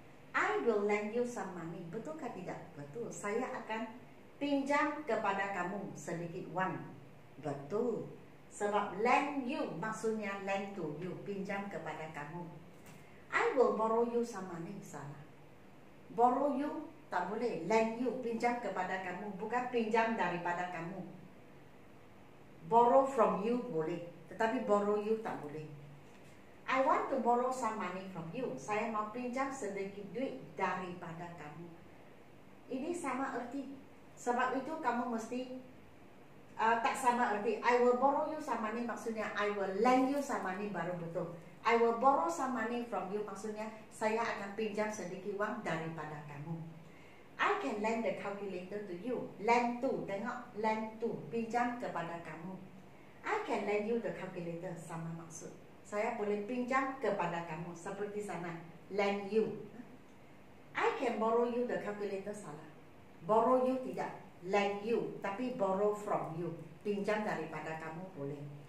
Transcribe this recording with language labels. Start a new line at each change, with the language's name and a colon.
English: I will lend you some money.
Malay: Betulkah tidak? Betul. Saya akan pinjam kepada kamu sedikit wang. Betul. Sebab
English: lend you
Malay: maksudnya
English: lend to you,
Malay: pinjam kepada kamu.
English: I will borrow you some money.
Malay: Salah.
English: Borrow you
Malay: tak boleh.
English: Lend you,
Malay: pinjam kepada kamu, bukan pinjam daripada kamu.
English: Borrow from you
Malay: boleh, tetapi
English: borrow you
Malay: tak boleh.
English: I want to borrow some money from you.
Malay: Saya mau pinjam sedikit duit daripada kamu. Ini sama erti. Sebab itu kamu mesti tak sama erti.
English: I will borrow you some money
Malay: maksudnya
English: I will lend you some money
Malay: baru betul.
English: I will borrow some money from you
Malay: maksudnya saya akan pinjam sedikit wang daripada kamu.
English: I can lend the calculator to you. Lend to,
Malay: tengok,
English: lend to,
Malay: pinjam kepada kamu.
English: I can lend you the calculator,
Malay: sama maksud. Saya boleh pinjam kepada kamu, seperti sana,
English: lend you. I can borrow you the calculator,
Malay: salah.
English: Borrow you
Malay: tidak,
English: lend you,
Malay: tapi
English: borrow from you.
Malay: Pinjam daripada kamu, boleh.